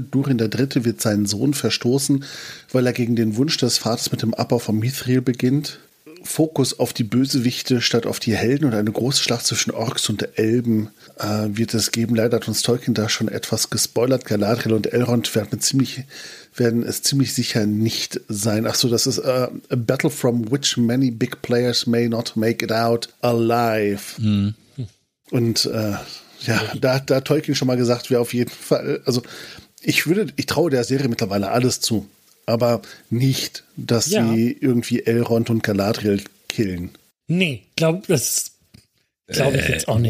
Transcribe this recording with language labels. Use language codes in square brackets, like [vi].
[de] Durin der Dritte wird seinen Sohn verstoßen, weil er gegen den Wunsch des Vaters mit dem Abbau von Mithril beginnt. Fokus auf die Bösewichte statt auf die Helden und eine große Schlacht zwischen Orks und Elben wird es geben. Leider hat uns Tolkien da schon etwas gespoilert. Galadriel und Elrond werden es ziemlich sicher nicht sein. Achso, das ist [en] a battle from which many big players may not make it out alive. Mhm. [de] Und ja, da hat Tolkien schon mal gesagt, wir auf jeden Fall, also ich traue der Serie mittlerweile alles zu, aber nicht, dass sie irgendwie Elrond und Galadriel killen. Nee, glaube ich jetzt auch nicht.